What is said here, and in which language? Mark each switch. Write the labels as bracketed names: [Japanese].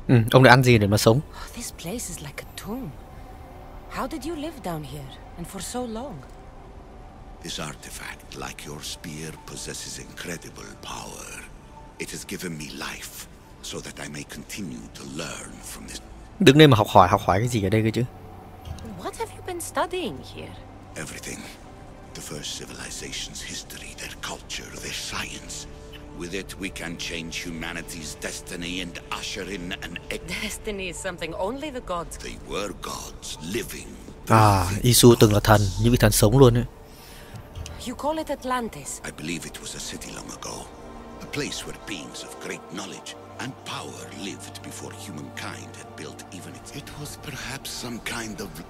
[Vietnamese] Ông đã ăn gì để mà sống? [English] Oh, this place is like a tomb. How did you live down here and for so long? This artifact, like your spear, possesses incredible power. It has given me life so that I may continue to learn from this. [Vietnamese] Đứng đây mà học hỏi cái gì ở đây cơ chứ? [English] What have you been studying here? Everything. The first civilization's history, their culture, their science. With it, we can change humanity's destiny and usher in an destiny is something only the gods. They were gods living. [Vietnamese] À, Isu từng là thần, những vị thần sống luôn ấy. [English] You call it Atlantis. I believe it was a city long ago, a place where beings of great knowledge and power lived before humankind had built even its. It was perhaps some kind of.